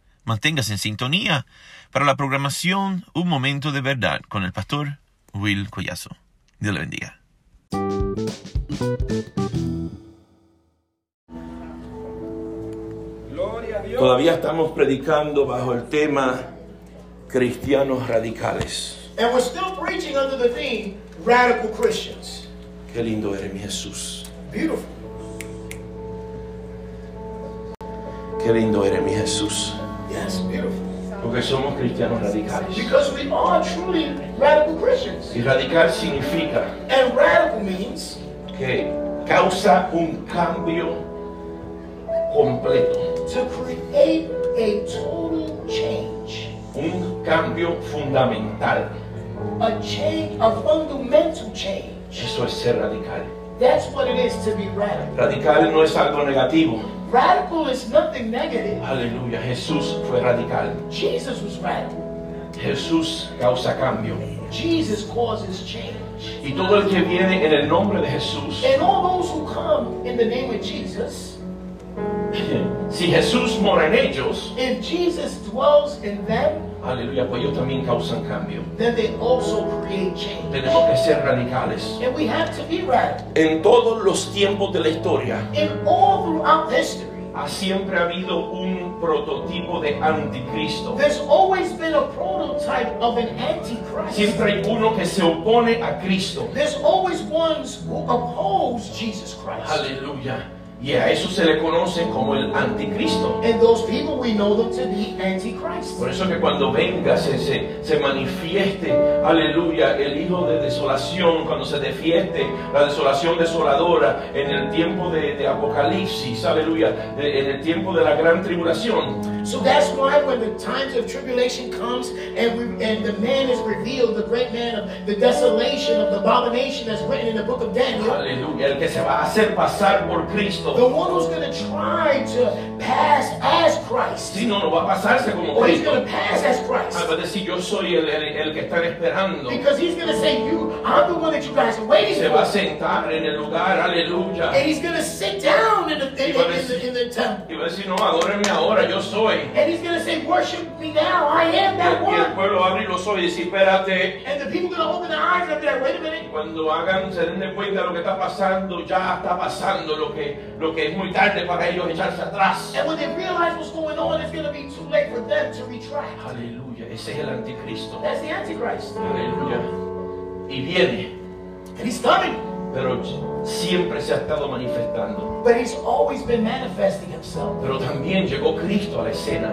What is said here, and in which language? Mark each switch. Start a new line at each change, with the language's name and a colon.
Spanish: Manténgase en sintonía para la programación Un Momento de Verdad con el Pastor Will Collazo. Dios le bendiga. Gloria a Dios. Todavía estamos predicando bajo el tema Cristianos Radicales.
English: And we're still preaching under the theme Radical Christians.
Spanish: Qué lindo eres, mi Jesús.
English: Beautiful.
Spanish: Qué lindo eres, mi Jesús.
English: Yes, beautiful.
Spanish: Porque somos cristianos radicales.
English: Because we are truly radical Christians.
Spanish: Y radical significa.
English: And radical means.
Spanish: Que causa un cambio completo.
English: To create a total change.
Spanish: Un cambio fundamental.
English: A change, a fundamental change.
Spanish: Eso es ser radical.
English: That's what it is to be radical.
Spanish: Radical no es algo negativo.
English: Radical is nothing negative.
Spanish: Aleluya, Jesús fue radical.
English: Jesus was radical.
Spanish: Jesús causa cambio.
English: Jesus causes change.
Spanish: Y todo el que viene en el nombre de Jesús.
English: And all those who come in the name of Jesus.
Spanish: Si Jesús mora en ellos.
English: If Jesus dwells in them.
Spanish: Aleluya, pues ellos también causan cambio.
English: Then they also create change.
Spanish: Tenemos que ser radicales.
English: And we have to be radical.
Spanish: En todos los tiempos de la historia.
English: In all throughout history.
Spanish: Ha siempre habido un prototipo de anticristo.
English: There's always been a prototype of an antichrist.
Spanish: Siempre hay uno que se opone a Cristo. There's always ones who oppose Jesus Christ. Aleluya. Y a eso se le conoce como el anticristo.
English: And those people we know them to be antichrist.
Spanish: Por eso que cuando venga se manifieste, aleluya, el hijo de desolación, cuando se defieste la desolación desoladora en el tiempo de Apocalipsis, aleluya, en el tiempo de la gran tribulación.
English: So that's why when the times of tribulation comes and the man is revealed, the great man of the desolation of the abomination that's written in the book of Daniel.
Spanish: Aleluya, el que se va a hacer pasar por Cristo.
English: The one who's going to try to pass as Christ.
Spanish: Sí, no va a pasarse como
English: Cristo. Or he's going to pass as Christ.
Spanish: Ah, pero si yo soy el que están esperando.
English: Because he's going to say, I'm the one that you guys are waiting
Spanish: se
English: for.
Spanish: Se va a sentar en el lugar, aleluya.
English: And he's going to sit down in the temple.
Spanish: Y va a decir, no, adórenme ahora, yo soy.
English: And he's going to say, worship me now, I am that one.
Spanish: Y el pueblo abre los ojos y dice, espérate.
English: And the people are going to open their eyes and be like, wait a minute.
Spanish: Cuando hagan, se den cuenta de lo que está pasando, ya está pasando lo que es muy tarde para ellos echarse atrás.
English: And when they realize what's going on, it's going to be too late for them to retract.
Spanish: Aleluya, ese es el anticristo.
English: That's the antichrist.
Spanish: Aleluya. Y viene.
English: And he's coming.
Spanish: Pero siempre se ha estado manifestando.
English: But he's always been manifesting himself.
Spanish: Pero también llegó Cristo a la escena.